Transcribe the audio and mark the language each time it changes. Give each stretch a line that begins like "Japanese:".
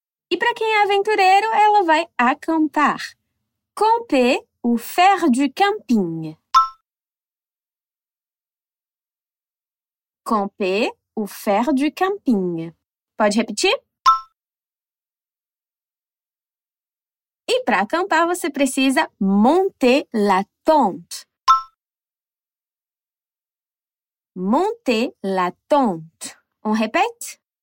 Portuguese: E para quem é aventureiro, ela vai acampar.
French: Camper ou faire du camping. Camper ou faire du camping.
Portuguese: Pode repetir? E para acampar, você precisa
French: monter la tente. Monter la tente. On répète?